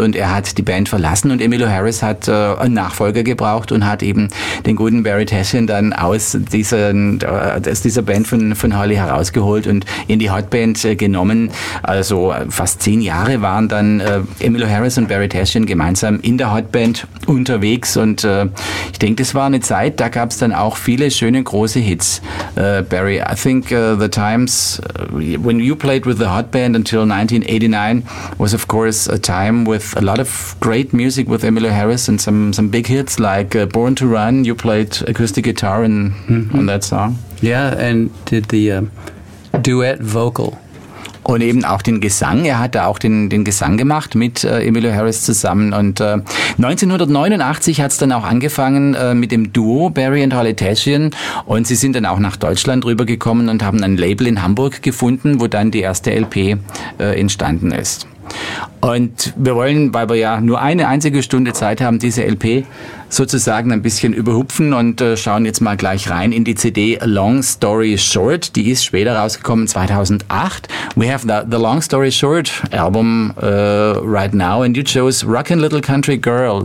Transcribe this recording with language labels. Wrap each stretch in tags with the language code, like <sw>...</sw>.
<de>Und er hat die Band verlassen. Und Emmylou Harris hat einen Nachfolger gebraucht und hat eben den guten Barry Tashian dann aus dieser Band von Holly herausgeholt und in die Hotband genommen. Also fast 10 Jahre waren dann Emmylou Harris und Barry Tashian gemeinsam in der Hotband unterwegs, und ich denke, das war eine Zeit, da gab es dann auch viele schöne, große Hits.</de> <en>Barry, I think the times when you played with the Hotband until 1989 was of course a time with a lot of great music with Emmylou Harris and some big hits like Born to Run. You played acoustic guitar in, mm-hmm. on that song. Yeah, and did the duet vocal</en> <de>Und eben auch den Gesang. Er hat da auch den Gesang gemacht mit Emilio Harris zusammen. Und 1989 hat es dann auch angefangen mit dem Duo Barry and Holly Tashian. Und sie sind dann auch nach Deutschland rübergekommen und haben ein Label in Hamburg gefunden, wo dann die erste LP entstanden ist. Und wir wollen, weil wir ja nur eine einzige Stunde Zeit haben, diese LP sozusagen ein bisschen überhupfen und schauen jetzt mal gleich rein in die CD Long Story Short. Die ist später rausgekommen, 2008.</de> <en>We have the Long Story Short album right now and you chose Rockin' Little Country Girl.</en>